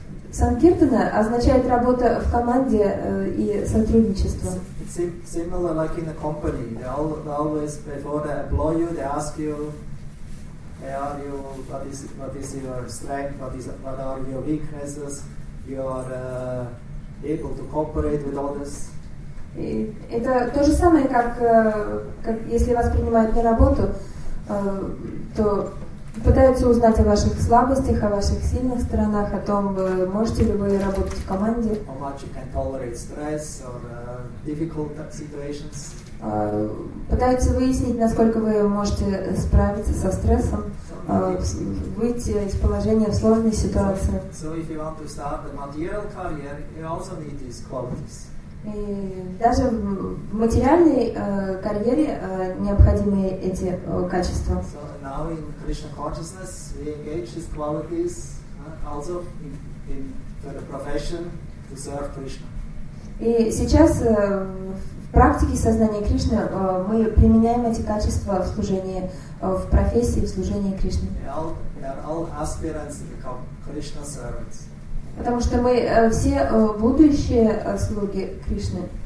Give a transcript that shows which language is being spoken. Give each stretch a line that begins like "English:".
Russian: Санкиртана означает работа в команде и сотрудничество.
English: Similar like in a company, they always before they employ you, they ask you, hey, are you what is your strength, what are your weaknesses, you are able to cooperate with others.
Russian: Это то же самое, как если вас принимают на работу, то пытаются узнать о ваших слабостях, о ваших сильных сторонах, о том, можете ли вы работать в команде.
English: How much you can tolerate stress or difficult situations.
Russian: Пытаются выяснить, насколько вы можете справиться со стрессом, выйти из положения в сложной ситуации.
English: So if you want to start a material career, you also need these qualities.
Russian: И даже в материальной карьере необходимы эти качества.
English: So now in Krishna consciousness we engage these qualities also in for the profession to serve Krishna.
Russian: И сейчас в практике сознания Кришны мы применяем эти качества в служении, в профессии, в служении Кришне.
English: We are all aspirants to become Krishna servants.
Russian: Потому что мы все будущие слуги Кришны.